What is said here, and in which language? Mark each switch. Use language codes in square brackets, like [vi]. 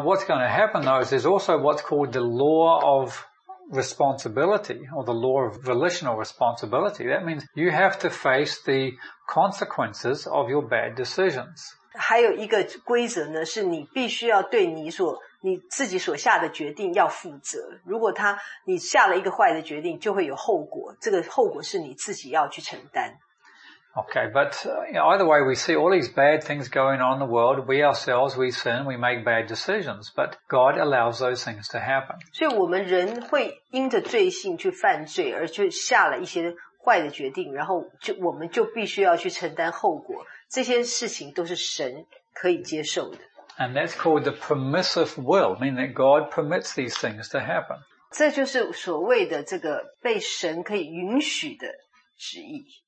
[en] what's going to happen though is there's also what's called the law of responsibility, or the law of volitional responsibility. That means you have to face the consequences of your bad decisions. [zh] 还有一个规则呢, 是你必须要对你自己所下的决定要负责。如果他, 你下了一个坏的决定, 就会有后果, 这个后果是你自己要去承担。 [en] Okay, but either way, we see all these bad things going on in the world. We ourselves, we sin, we make bad decisions, but God allows those things to happen. [zh] 所以我们人会因着罪性去犯罪，而就下了一些坏的决定， 然后我们就必须要去承担后果。这些事情都是神可以接受的。 [en] And that's called the permissive will, meaning that God permits these things to happen. [zh] 这就是所谓的这个被神可以允许的旨意。